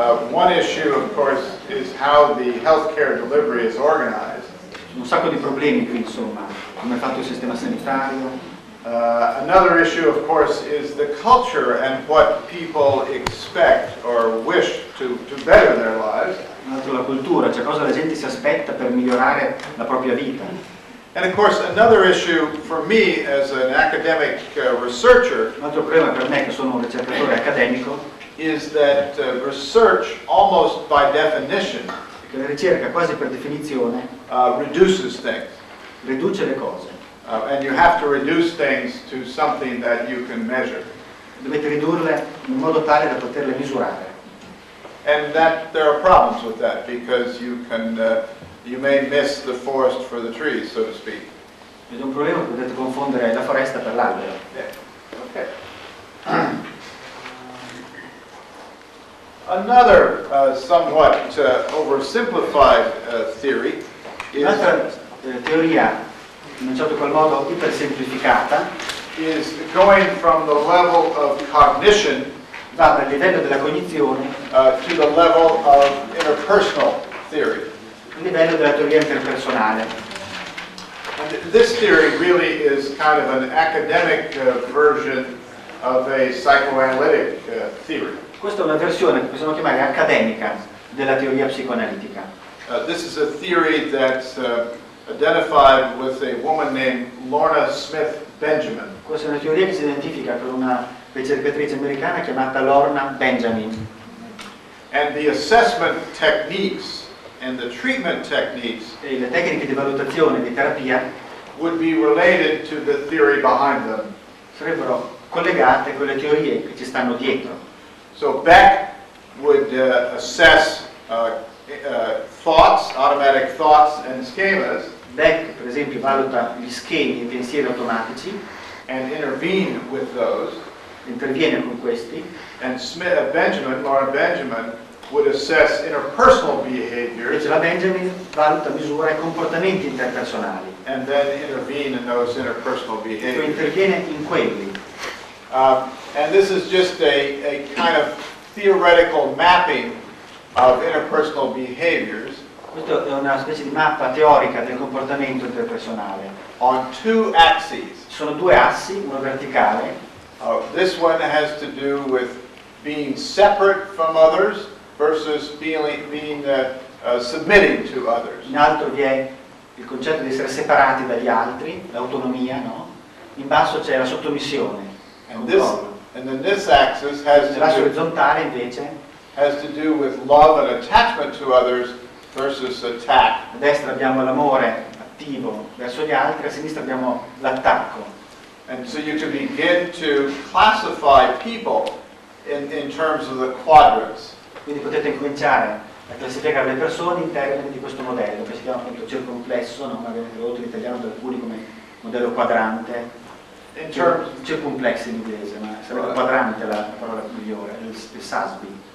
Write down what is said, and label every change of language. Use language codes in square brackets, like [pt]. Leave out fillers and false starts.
[en] One issue, of course, is how the healthcare delivery is organized. [it] Un sacco di problemi qui, insomma, come è fatto il sistema sanitario. [en] Another issue, of course, is the culture and what people expect or wish to better their lives. [it] Un altro la cultura, cioè cosa la gente si aspetta per migliorare la propria vita. [en] And of course, another issue for me as an academic researcher, [it] un altro problema per me che sono un ricercatore accademico, [en] is that research almost by definition, [it] che la ricerca quasi per definizione, [en] reduces things, [it] riduce le cose, [en] and you have to reduce things to something that you can measure, [it] dovete ridurle in modo tale da poterle misurare, [en] and that there are problems with that because you can you may miss the forest for the trees, so to speak. [it] Ed è un problema che potete confondere la foresta per l'albero. [en] Yeah. Okay. Another somewhat oversimplified theory is [it] teoria, in un certo qual modo ipersemplificata, [en] is going from the level of cognition, [it] va dal livello della cognizione, [en] to the level of interpersonal theory. [it] Livello della teoria interpersonale. [en] And this theory really is kind of an academic version of a psychoanalytic theory. [it] Questa è una versione che possiamo chiamare accademica della teoria psicoanalitica. [en] This is a theory that's identified with a woman named Lorna Smith Benjamin. [it] Questa è una teoria che si identifica con una ricercatrice americana chiamata Lorna Benjamin. [en] And the assessment techniques and the treatment techniques, [it] e le tecniche di valutazione di terapia, [en] would be related to the theory behind them, [it] sarebbero collegate con le teorie che ci stanno dietro. [en] So Beck would assess thoughts, automatic thoughts and schemas. [it] Beck, per esempio, valuta gli schemi e pensieri automatici, [en] and intervene with those, [it] interviene con questi. [en] And Smith, Benjamin, Lorna Benjamin, would assess interpersonal behaviors. [it] Invece la Benjamin valuta, misura i comportamenti interpersonali. [en] And then intervene in those interpersonal behaviors. [it] E interviene in quelli. [en] And this is just a kind of theoretical mapping of interpersonal behaviors. [it] Questo è una specie di mappa teorica del comportamento interpersonale. [en] On two axes. [it] Sono due assi, uno verticale. [en] This one has to do with being separate from others versus being submitting to others. [it] In alto vi è il concetto di essere separati dagli altri, l'autonomia, no? In basso c'è la sottomissione. L'asse orizzontale invece [en] has to do with love and attachment to others versus attack. [it] A destra abbiamo l'amore attivo verso gli altri, a sinistra abbiamo l'attacco. [en] And so you can begin to classify people in terms of the quadrants. [it] Quindi potete cominciare a classificare le persone in termini di questo modello, che si chiama appunto circumplesso, no? Magari tradotto in italiano da alcuni come modello quadrante. Circumplesso in inglese, ma sarebbe quadrante la parola migliore, il SASB.